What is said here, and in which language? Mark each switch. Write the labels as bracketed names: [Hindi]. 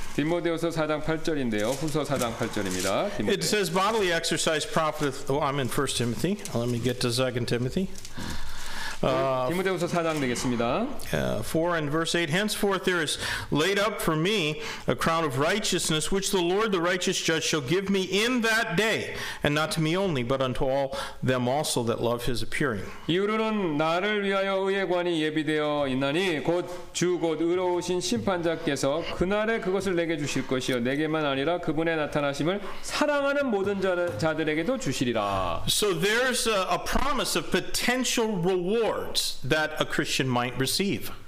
[Korean] 디모데후서 4장 8절인데요. 후서 4장 8절입니다. [English] 디모데. It says bodily exercise profiteth. Oh, I'm in 1 Timothy. Let me get to 2 Timothy. [Korean] 디모데후서 4장 되겠습니다. [English] 4 and verse 8. Henceforth there is laid up for me a crown of righteousness, which the Lord, the righteous judge, shall give me in that day, and not to me only, but unto all them also that love his appearing. [Korean] 이후로는 나를 위하여 의의 관이 예비되어 있나니 곧 주 곧 의로우신 심판자께서 그날에 그것을 내게 주실 것이요 내게만 아니라 그분의 나타나심을 사랑하는 모든 자들에게도 주시리라. [English] So there's a promise of potential reward that a Christian might receive.